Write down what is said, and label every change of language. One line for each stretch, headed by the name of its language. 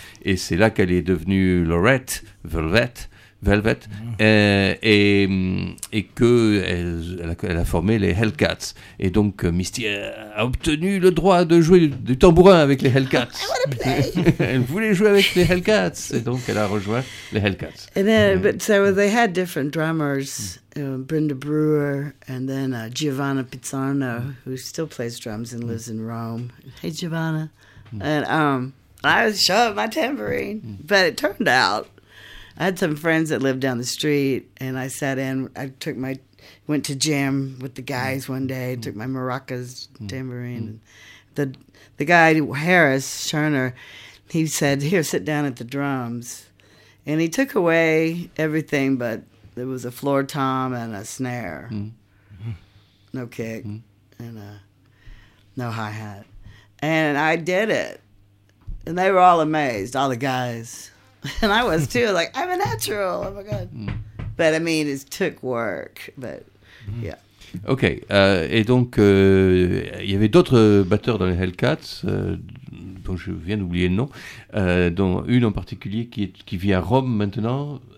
French: Et c'est là qu'elle est devenue Lorette, Velvet. Et qu'elle a formé les Hellcats. Et donc, Misty a obtenu le droit de jouer du tambourin avec les Hellcats.
English: I wanna play.
French: Elle voulait jouer avec les Hellcats. Et donc, elle a rejoint les Hellcats.
English: And then, but so they had different drummers, Brenda Brewer, and then Giovanna Pizzarno, who still plays drums and lives in Rome. Hey, Giovanna. And I was showing my tambourine, but it turned out, I had some friends that lived down the street, and I sat in. I took my, went to jam with the guys one day. Took my maracas, tambourine. The guy Harris Scherner, he said, "Here, sit down at the drums," and he took away everything, but there was a floor tom and a snare, no kick, and no hi hat, and I did it, and they were all amazed. All the guys. And I was too, like, I'm a natural, oh my God. But I mean, it took work, but yeah.
French: Ok, et donc il y avait d'autres batteurs dans les Hellcats, dont je viens d'oublier le nom, dont une en particulier qui vit à Rome maintenant.